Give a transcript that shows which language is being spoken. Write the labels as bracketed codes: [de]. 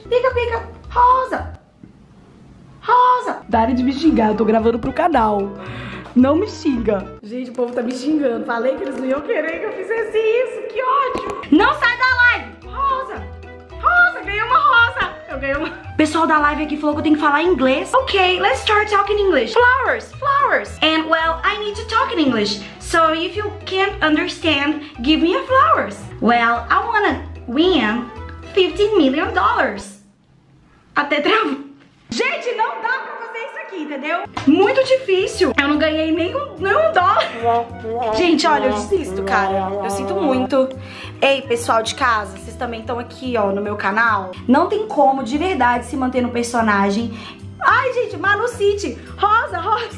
[pt] Pica, pica. Rosa. Rosa! Dare de me xingar, eu tô gravando pro canal. Não me xinga. Gente, o povo tá me xingando. Falei que eles não iam querer que eu fizesse isso. Que ódio! Não sai da live! Rosa! Rosa, ganhei uma rosa! Eu ganhei uma... Pessoal da live aqui falou que eu tenho que falar inglês. [en] Ok, let's start talking English. Flowers, flowers. And, well, I need to talk in English. So, if you can't understand, give me a flowers. Well, I wanna win $15 million. [pt] Até travou. Gente, não dá pra fazer isso aqui, entendeu? Muito difícil. Eu não ganhei nenhum dólar. Gente, olha, eu desisto, cara. Eu sinto muito. Ei, pessoal de casa, vocês também estão aqui, ó, no meu canal. Não tem como, de verdade, se manter no personagem. Ai, gente, Manu City. Rosa, rosa.